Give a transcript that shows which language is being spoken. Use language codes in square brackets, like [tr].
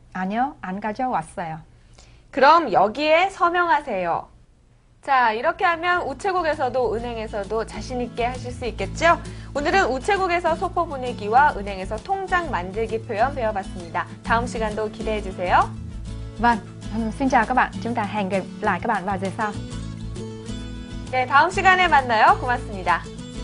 [ko] 아니요, 안 가져왔어요. 그럼 여기에 서명하세요. 자, 이렇게 하면 우체국에서도 은행에서도 자신 있게 하실 수 있겠죠? 오늘은 우체국에서 소포 보내기와 은행에서 통장 만들기 표현 배워봤습니다. 다음 시간도 기대해 주세요. [vi] 반. Xin chào các bạn. Chúng ta hẹn gặp lại các bạn vào giờ sau. [ko] 네, 다음 시간에 만나요. 고맙습니다.